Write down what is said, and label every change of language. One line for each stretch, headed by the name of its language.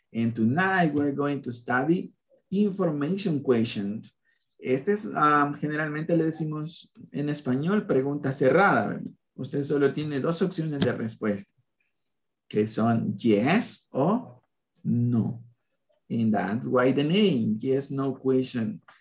English: And tonight we're going to study information questions.
Spanish: Este es, generalmente le decimos en español, pregunta cerrada. Usted solo tiene dos opciones de respuesta, que son yes o no.
English: And that's why the name, yes, no question.